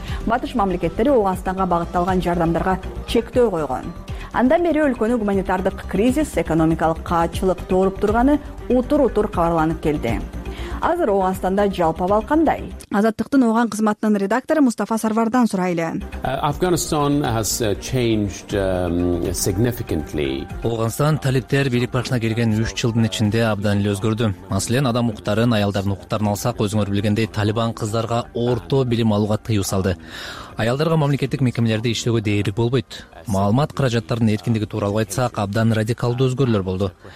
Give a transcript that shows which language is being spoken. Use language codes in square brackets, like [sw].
[ky] Батыш мамлекеттери Ооганстанга багытталган жардамдарга чектөө койгон. Андан бери өлкөнү гуманитардык кризис, экономикалык каачылык тооруп турганы утур-утур кабарланып келди. Азыр Ооганстанда жалпы абал кандай? Азаттыктын Ооган кызматынын редактору Мустафа Сарвардан сурайлы. [en] Afghanistan has changed significantly. [ky] Ооганстан талиптер бийлик башына келген 3 жылдын ичинде абдан эле өзгөрдү. Маселен, адам укуктарын, аялдардын укуктарын алсак, өзүңөр билгендей, Талибан кыздарга орто билим алууга тыюу салды. Аялдарга мамлекеттик мекемелерде иштөөгө дээрлик болбойт. Маалымат каражаттарынын эркиндиги тууралуу айтсак, абдан радикалдуу өзгөрүүлөр болду.